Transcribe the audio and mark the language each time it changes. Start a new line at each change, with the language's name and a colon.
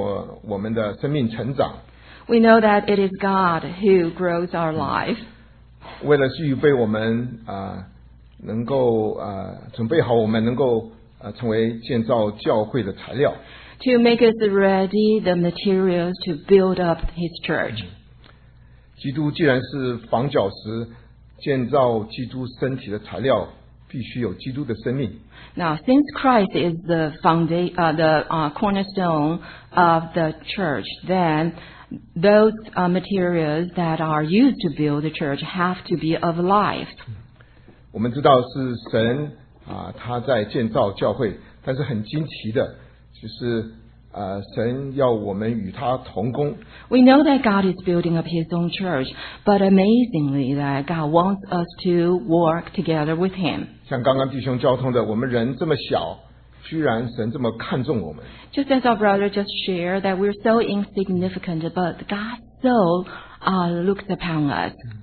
Chinese: 我们知道是神使我们的生命成长。
English: We know that it is God who grows our life.
Chinese: 为了预备我们, 能够, 准备好我们能够 成为建造教会的材料,
English: to make us ready the materials to build up his church.
Chinese: 基督既然是房角石, 建造基督身体的材料, 必须有基督的生命。
English: Now, since Christ is the cornerstone of the church, then those materials that are used to build the church have to be of life.
Chinese: 我们知道是神 他在建造教会, 但是很惊奇的, 就是, 神要我们与他同工。
English: We know that God is building up his own church, but amazingly that God wants us to work together with him.
Chinese: 像刚刚弟兄交通的, 我们人这么小, 居然神这么看重我们。
English: Just as our brother just shared, that we're so insignificant, but God so looks upon us.